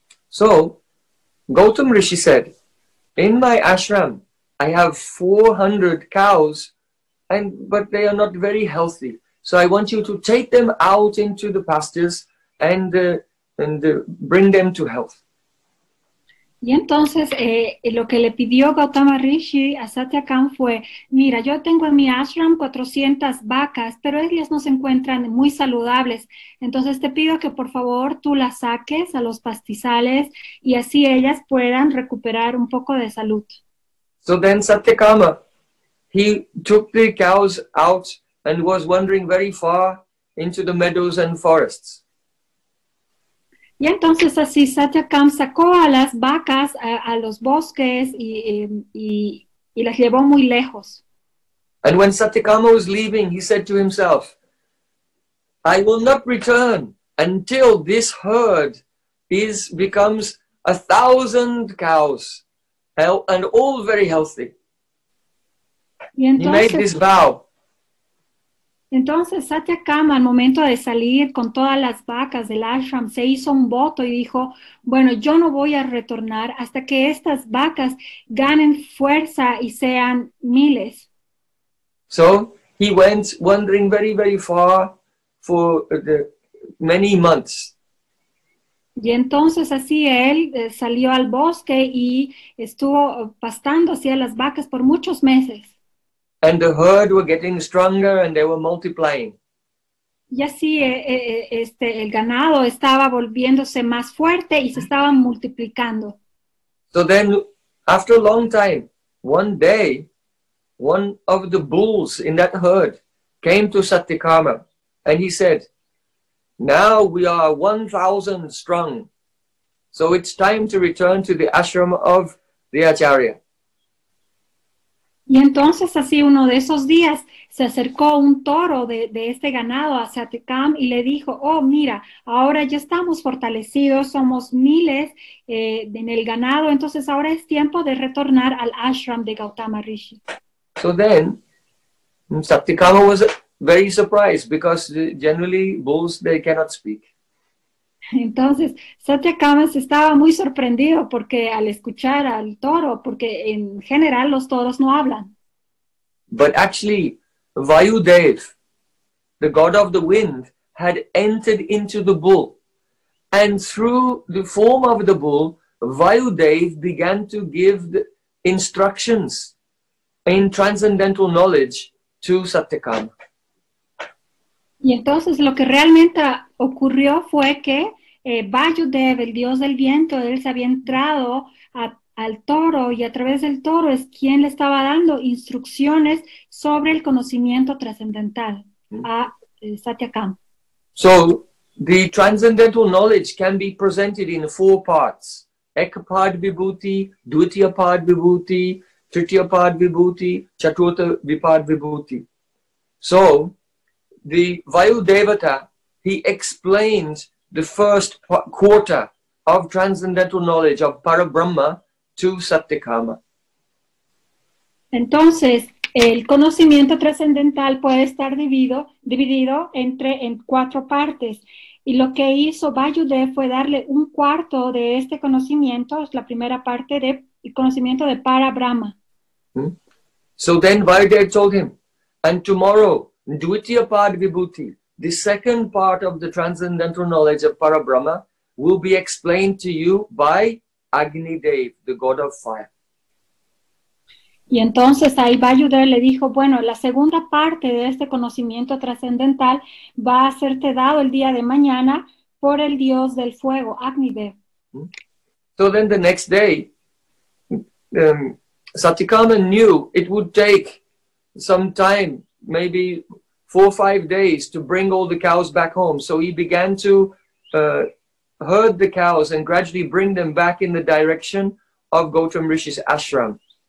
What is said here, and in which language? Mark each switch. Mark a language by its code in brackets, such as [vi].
[en] So, Gautama Rishi said, in my ashram I have 400 cows but they are not very healthy. So I want you to take them out into the pastures and bring them to health. [es] Y entonces lo que le pidió Gautama Rishi a Satyakam fue, mira, yo tengo en mi ashram 400 vacas, pero ellas no se encuentran muy saludables. Entonces te pido que por favor tú las saques a los pastizales y así ellas puedan recuperar un poco de salud. [en] So then Satyakama, he took the cows out and was wandering very far into the meadows and forests. [es] Y entonces así Satyakam sacó a las vacas a los bosques y las llevó muy lejos. [en] And when Satyakama was leaving, he said to himself, I will not return until this herd becomes 1,000 cows and all very healthy. [es] Y entonces, [en] he made this vow. [es] Entonces Satyakama al momento de salir con todas las vacas del ashram se hizo un voto y dijo, bueno, yo no voy a retornar hasta que estas vacas ganen fuerza y sean miles. [en] So he went wandering very, very far for the many months. [es] Y entonces así él salió al bosque y estuvo pastando hacia las vacas por muchos meses. [en] And the herd were getting stronger and they were multiplying. [es] Y así el ganado estaba volviéndose más fuerte y se estaban multiplicando. [en] So then, after a long time, one day, one of the bulls in that herd came to Satyakama and he said, now we are 1,000 strong, so it's time to return to the ashram of the Acharya. [es] Y entonces así uno de esos días se acercó un toro de este ganado a Satyakam y le dijo, oh mira, ahora ya estamos fortalecidos, somos miles en el ganado, entonces ahora es tiempo de retornar al ashram de Gautama Rishi. [en] So then, Satyakama was very surprised because generally bulls, they cannot speak. [es] Entonces, Satyakama estaba muy sorprendido porque al escuchar al toro, porque en general los toros no hablan. [en] But actually, Vayudev, the god of the wind, had entered into the bull. And through the form of the bull, Vayudev began to give the instructions in transcendental knowledge to Satyakama. [es] Y entonces lo que realmente ocurrió fue que Vayudev, el dios del viento, él se había entrado al toro y a través del toro es quien le estaba dando instrucciones sobre el conocimiento trascendental a Satyakam. [en] So, the transcendental knowledge can be presented in four parts. [sa] Ekapad Vibhuti, Dvitiyapad Vibhuti, Tritiyapad Vibhuti, Chaturtha Vipad Vibhuti. [en] So, the Vayudevata, he explains the first quarter of transcendental knowledge of Parabrahma to Satyakama. [es] Entonces, El conocimiento trascendental puede estar dividido en cuatro partes. Y lo que hizo Bayudev fue darle un cuarto de este conocimiento, es la primera parte del conocimiento de Parabrahma. [en] So then Vayudev told him, and tomorrow, Dvitiya Pad Vibhuti, the second part of the transcendental knowledge of Parabrahma, will be explained to you by Agnidev, the god of fire. [es] Y entonces ahí Vayudev le dijo, bueno, la segunda parte de este conocimiento trascendental va a serte dado el día de mañana por el dios del fuego, Agnidev. [en] So then the next day, Satyakama knew it would take some time, maybe 4 or 5 days, to bring all the cows back home. So he began to herd the cows and gradually bring them back in the direction of Gautam Rishi's ashram.